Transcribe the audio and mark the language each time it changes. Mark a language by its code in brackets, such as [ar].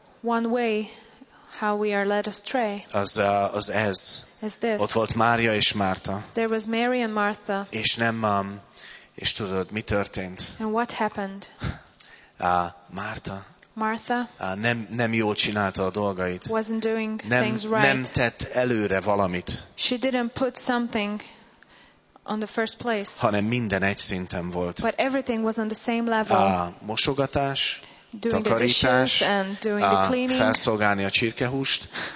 [en] one way how we are led astray, [hu] az ez. [en] Is this. [hu] Ott volt Mária és Márta. [en] There was Mary and Martha. [hu] És nem, és tudod, mi történt? [en] And what happened? [hu] Márta. [en] Martha. [hu] Nem jól csinálta a dolgait. [en] Wasn't doing [hu] nem, [en] things right. [hu] Nem tett előre valamit. [en] She didn't put something on the first place. [hu] Hanem minden egy szinten volt. [en] But everything was on the same level. [hu] Mosogatás, [en] doing [hu] takarítás, [en] the dishes and doing the cleaning. [hu] Felszolgálni a csirkehúst.